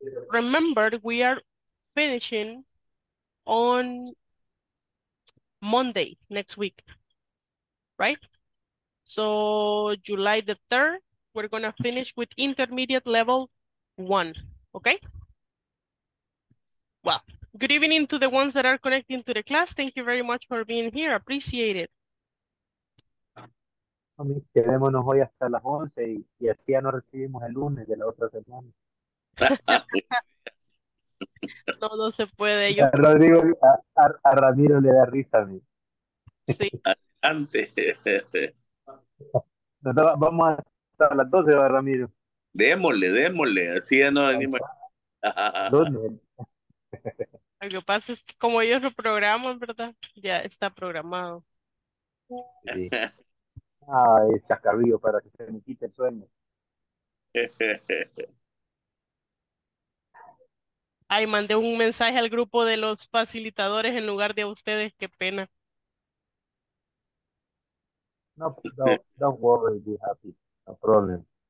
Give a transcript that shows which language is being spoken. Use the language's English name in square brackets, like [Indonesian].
[English] Remember, we are finishing on Monday next week, right? So July the 3rd, we're gonna finish with intermediate level one, okay? Well, good evening to the ones that are connecting to the class. Thank you very much for being here. Appreciate it. [Spanish] Quedémonos hoy hasta las 11 y así ya no recibimos el lunes de la otra semana. Todo se puede, yo A Rodrigo, a Ramiro le da risa a mí. sí. Antes. Vamos a estar a las 12, va Ramiro. Démosle, démosle, así ya no venimos. ¿Dónde? Lo que pasa es que como ellos lo programan, ¿verdad? Ya está programado. Sí. Ah, es chascarrillo para que se me quite el sueño. Ay, mandé un mensaje al grupo de los facilitadores en lugar de a ustedes. Qué pena. [English] No, no, don't worry, be happy, no problem.